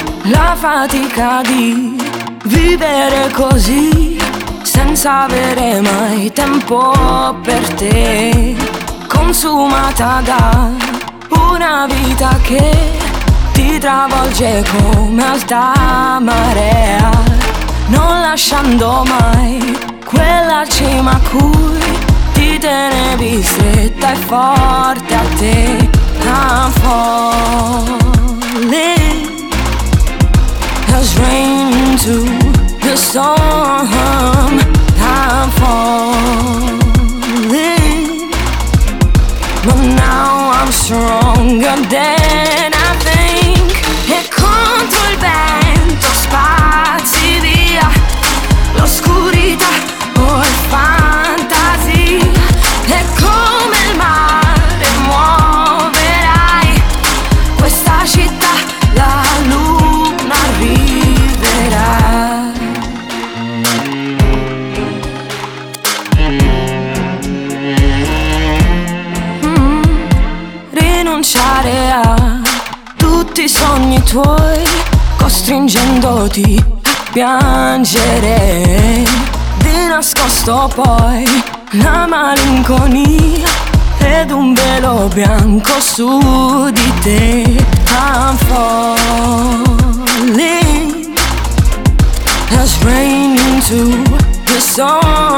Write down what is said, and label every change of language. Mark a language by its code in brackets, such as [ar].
[it] La fatica di vivere così senza avere mai tempo per te, consumata da una vita che ti travolge come alta marea, non lasciando mai quella cima a cui ti tenevi stretta e forte a te. [en] I'm falling as rain into the storm. I'm falling, but now I'm stronger than I think. [it] E contro il vento spazi via l'oscurità o il fantasia. E come il mare muoverai questa città, la luna arriverà. Rinunciare a tutti i sogni tuoi costringendoti piangere di nascosto, poi la malinconia ed un velo bianco su di te. [en] I'm falling as rain into the storm.